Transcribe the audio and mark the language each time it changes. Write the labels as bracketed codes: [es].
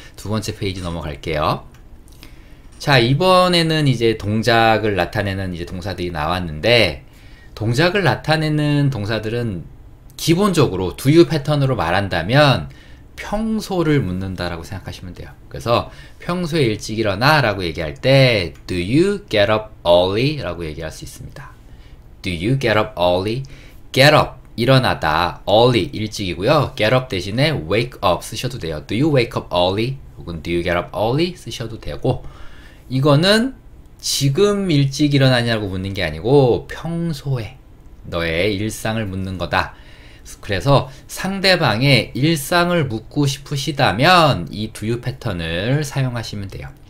[ko] 두 번째 페이지 넘어갈게요. 자, 이번에는 이제 동작을 나타내는 이제 동사들이 나왔는데, 동작을 나타내는 동사들은 기본적으로 do you 패턴으로 말한다면 평소를 묻는다라고 생각하시면 돼요. 그래서 평소에 일찍 일어나라고 얘기할 때 [en] Do you get up early? [ko] 라고 얘기할 수 있습니다. [en] Do you get up early? Get up, 일어나다. [ko] early, 일찍이고요. [en] get up [ko] 대신에 [en] wake up [ko] 쓰셔도 돼요. [en] Do you wake up early? [ko] 혹은 [en] Do you get up early? [ko] 쓰셔도 되고, 이거는 지금 일찍 일어나냐고 묻는 게 아니고 평소에 너의 일상을 묻는 거다. 그래서 상대방의 일상을 묻고 싶으시다면 이 do you 패턴을 사용하시면 돼요.